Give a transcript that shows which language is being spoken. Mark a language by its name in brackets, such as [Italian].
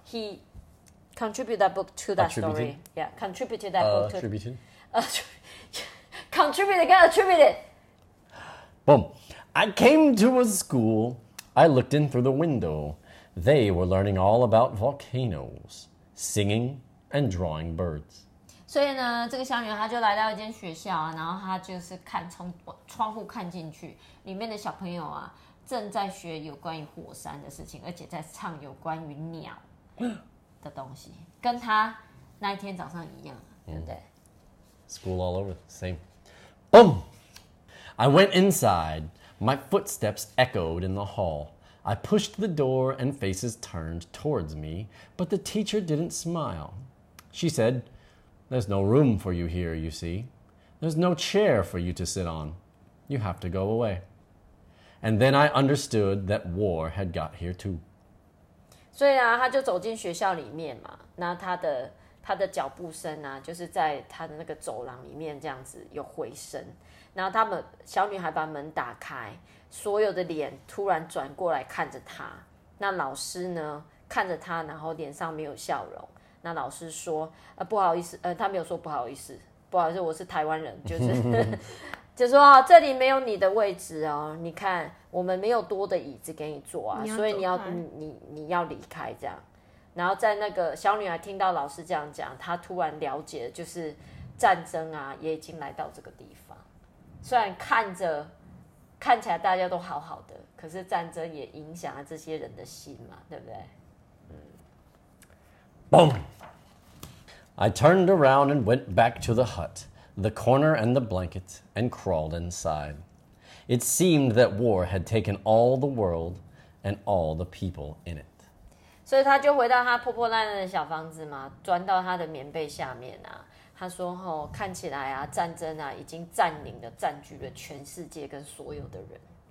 [English] He contributed that book to that story. Yeah, contributed that book to... Contributed? Contributed, attributed! Boom! I came to a school. I looked in through the window. They were learning all about volcanoes, singing and drawing birds. [Chinese] 所以呢，这个小女孩就来到一间学校啊，然后她就是看从窗户看进去，里面的小朋友啊正在学有关于火山的事情，而且在唱有关于鸟的东西，跟她那一天早上一样，对不对 [English] ？School all over, same. Boom! I went inside. My footsteps echoed in the hall. I pushed the door and faces turned towards me, but the teacher didn't smile. She said, There's no room for you here, you see. There's no chair for you to sit on. You have to go away. And then I understood that war had got here too. [Chinese] 所以啊，他就走进学校里面嘛，那他的脚步声啊，就是在他的那个走廊里面这样子有回声。然后他们小女孩把门打开，所有的脸突然转过来看着她。那老师呢，看着她，然后脸上没有笑容。那老师说：“不好意思，他没有说不好意思，不好意思，我是台湾人，就是就说啊，这里没有你的位置哦，你看我们没有多的椅子给你坐啊，所以你要离开这样。然后在那个小女孩听到老师这样讲，她突然了解，就是战争啊也已经来到这个地方，虽然看起来大家都好好的，可是战争也影响了这些人的心嘛，对不对？ [English] Boom! I turned around and went back to the hut, the corner and the blanket, and crawled inside. It seemed that war had taken all the world and all the people in it. [Chinese] 所以他就回到他破破烂烂的小房子嘛，钻到他的棉被下面啊。他说哦，看起来啊，战争啊已经占领了、占据了全世界跟所有的人。